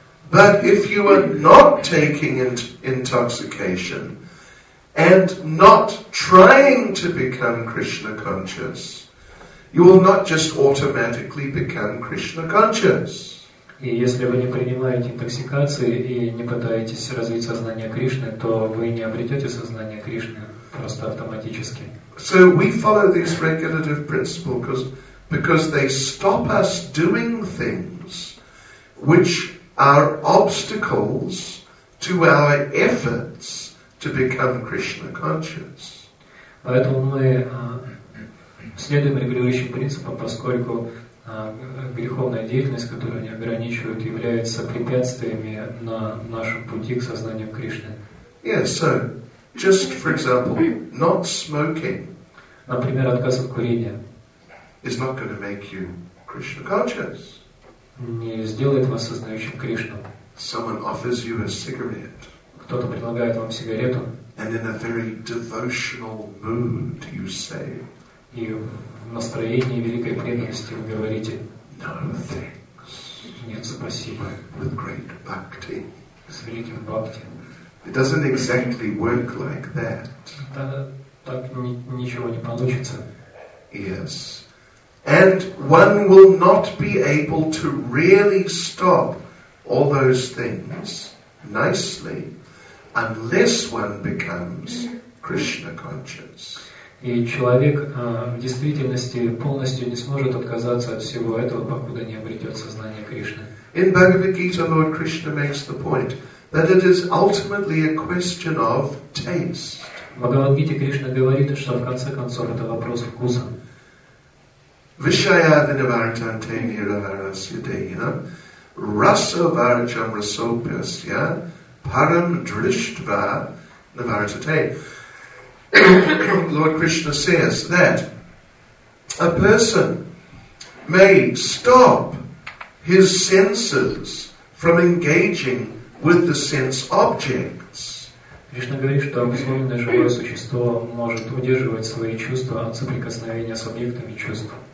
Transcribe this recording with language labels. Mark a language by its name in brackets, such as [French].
[English] But if you are not taking intoxication and not trying to become Krishna conscious, you will not just automatically become Krishna conscious. [Russian] И если вы не принимаете интоксикации и не пытаетесь развить сознание Кришны, то вы не обретете сознание Кришны просто автоматически. [English] So we follow this regulative principle because they stop us doing things which are obstacles to our efforts to become Krishna conscious. [Russian] Поэтому мы следуем регулирующим принципам, поскольку греховная деятельность, которую они ограничивают, является препятствиями на нашем пути к сознанию Кришны. [English] Yes, so, just for example, not smoking. [Russian] Например, отказ от курения. [English] Is not going to make you Krishna conscious. [Russian] Не сделает вас сознающим Кришну. [English] Someone offers you a cigarette. [Russian] Кто-то предлагает вам сигарету. [English] And in a very devotional mood, you say. [Russian] И в настроении великой преданности вы говорите [English] no thanks. [Russian] Нет, спасибо. [English] With great bhakti. [Russian] С великим бхакти. [English] It doesn't exactly work like that. [Russian] Да, так ничего не получится. [English] Yes. And one will not be able to really stop all those things nicely unless one becomes Krishna conscious. [Russian] И человек в действительности полностью не сможет отказаться от всего этого, покуда не обретет сознание Кришны. [English] In Bhagavad Gita, Lord Krishna makes the point that it is ultimately a question of taste. [Russian] В Бхагавад Гите Кришна говорит, что в конце концов это вопрос вкуса. [Sanskrit] Vishaya vinavartante niravarasya deyina rasa varjam rasopyasya param drishtva navartate. [English] Lord Krishna says that a person may stop his senses from engaging with the sense objects. [Russian] Кришна говорит, что обусловленное живое существо может удерживать свои чувства от соприкосновения с объектами чувств.